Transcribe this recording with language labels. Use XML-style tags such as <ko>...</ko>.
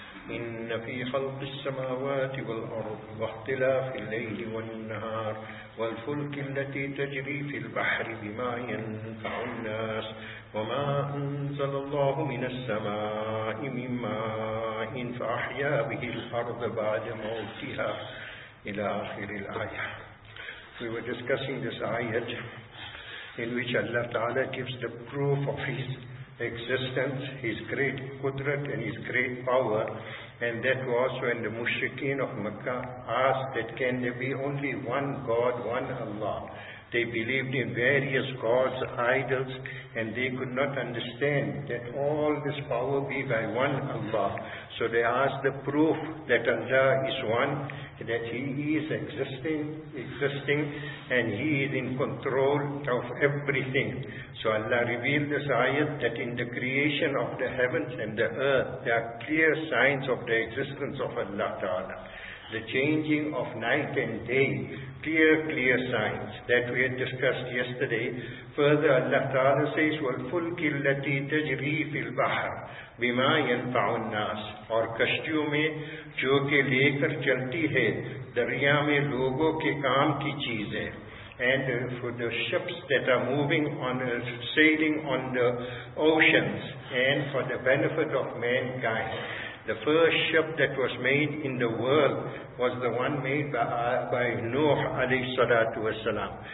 <ar>إن في خلق السماوات والأرض واختلاف الليل والنهار والفلك التي تجري في البحر بما ينفع الناس وما أنزل الله من السماء من ماء فأحيا به الأرض بعد موتها إلى آخر الآية.</ar> <en>We were discussing this ayat in which Allah Ta'ala gives the proof of His existence, His great Qudrat and His great power. And that was when the Mushrikeen of Makkah asked that can there be only one God, one Allah. They believed in various gods, idols, and they could not understand that all this power be by one Allah. So they asked the proof that Allah is one, that He is existing, and He is in control of everything. So Allah revealed this ayat that in the creation of the heavens and the earth, there are clear signs of the existence of Allah Ta'ala. The changing of night and day, clear signs that we had discussed yesterday. Further, Allah Ta'ala says,</en> <ar>وَالْفُلْكِ الَّتِي تَجْرِي فِي الْبَحْرِ بِمَا يَنْفَعُ النَّاسِ</ar> <ur>اور کشتیوں میں جو کہ لے کر چلتی ہے دریا میں لوگوں کے کام کی چیزیں.</ur> <en>And for the ships that are moving on, sailing on the oceans, and for the benefit of mankind. The first ship that was made in the world was the one made by Nuh alayhi salatu wasalam.</en>